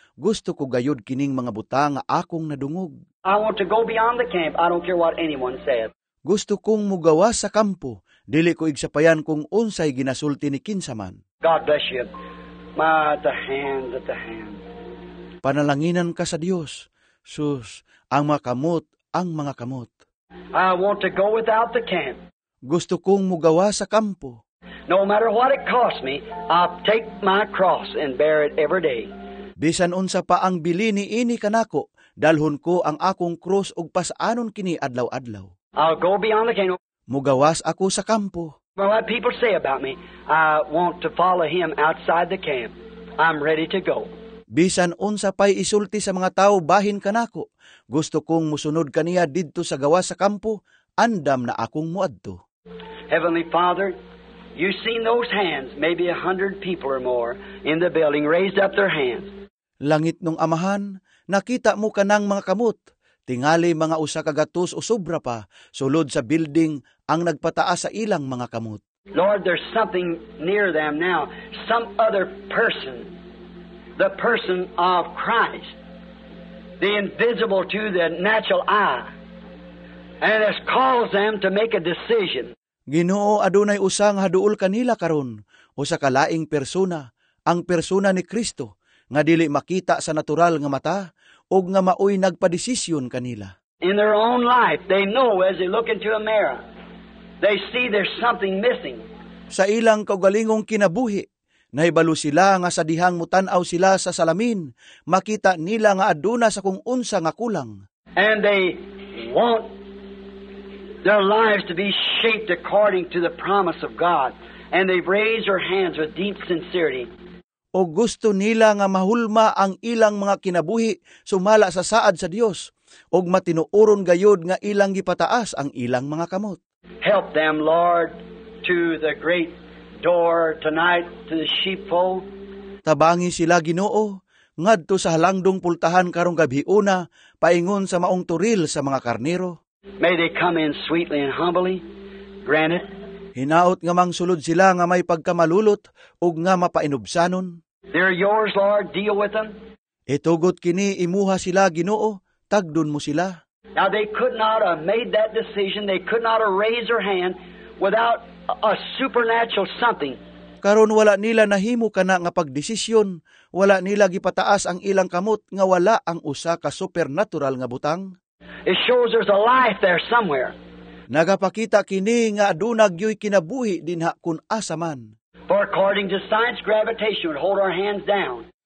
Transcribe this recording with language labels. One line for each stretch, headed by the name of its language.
Cebuano: Gusto ko gayud kining mga butang nga akong nadungog.
English: I want to go beyond the camp. I don't care what anyone said.
Cebuano: Gusto kong mugawas sa kampo. Dili ko igsapayan kung unsay ginasulti ni kinsaman.
English: God bless you. At the hand.
Cebuano: Panalanginan ka sa Dios. Sus, ang mga kamot, ang mga kamot.
English: I want to go without the camp.
Cebuano: Gusto kong mugawas sa kampo.
English: No matter what it costs me, I'll take my cross and bear it every day.
Cebuano: Bisan unsa pa ang bili niini kanako, dalhon ko ang akong krus ug pasanon kini adlaw-adlaw.
English: I'll go beyond the camp.
Cebuano: Mugawas ako sa kampo.
English: Well, what people say about me, I want to follow him outside the camp. I'm ready to go.
Cebuano: Bisan unsa pa'y isulti sa mga tao bahin kanako, gusto kong musunod kaniya didto sa gawas sa kampo, andam na akong muadto.
English: Heavenly Father, you've seen those hands, maybe 100 people or more in the building raised up their hands.
Cebuano: Langit nung amahan, nakita mo kanang mga kamot, tingali mga usa ka gatos o sobra pa, sulod sa building ang nagpataas sa ilang mga kamot.
English: Lord, there's something near them now, some other person, the person of Christ, the invisible to the natural eye, and has caused them to make a decision.
Cebuano: Ginoo, adunay usang haduol kanila karon, usa ka laing persona, ang persona ni Kristo, nga dili makita sa natural nga mata, og nga mao'y nagpadesisyon kanila.
English: In their own life, they know as they look into a mirror, they see there's something missing.
Cebuano: Sa ilang kaugalingong kinabuhi, nahibalo sila nga sa dihang mutanaw sila sa salamin, makita nila nga aduna sa kung unsa nga kulang.
English: And they want their lives to be shaped according to the promise of God. And they've raised their hands with deep sincerity.
Cebuano: O gusto nila nga mahulma ang ilang mga kinabuhi sumala sa saad sa Dios, og matinuuron gayod nga ilang gipataas ang ilang mga kamot.
English: Help them, Lord, to the great door tonight, to the sheepfold.
Cebuano: Tabangi sila, Ginoo, ngadto sa halangdong pultahan karong gabi-una, paingon sa maong turil sa mga karnero.
English: May they come in sweetly and humbly, granted.
Cebuano: Hinaot nga mang sulod sila nga may pagkamalulot ug nga mapainubsanon.
English: They're yours, Lord. Deal with them.
Cebuano: Itugot kini, imuha sila, Ginoo, tagdun mo sila.
English: Now they could not have made that decision, they could not have raised their hand without a supernatural something.
Cebuano: Karon wala nila nahimo kana nga pagdesisyon, wala nila gipataas ang ilang kamot nga wala ang usa ka supernatural nga butang.
English: It shows there's a life there somewhere.
Cebuano: Nagapakita kini nga aduna gyoy kinabuhi dinha kun asa man.
English: For according to science, gravitation would hold our hands down.